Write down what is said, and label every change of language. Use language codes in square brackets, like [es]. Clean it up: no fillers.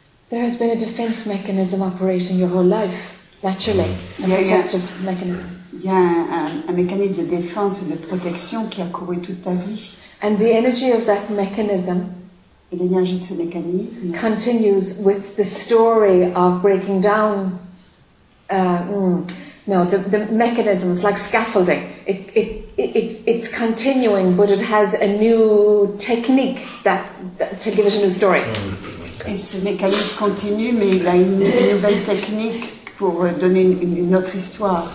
[en] There has been a defense mechanism operating your whole life, naturally, a protective mechanism. [fr] Il y a un mécanisme de défense et de protection qui a couru toute ta vie. [en] And the energy of that mechanism, [fr] et l'énergie de ce mécanisme, [en] continues with the story of breaking down. The mechanism is like scaffolding. It's continuing, but it has a new technique that to give it a new story. [fr] Et ce mécanisme continue, mais il a une nouvelle technique pour donner une autre histoire.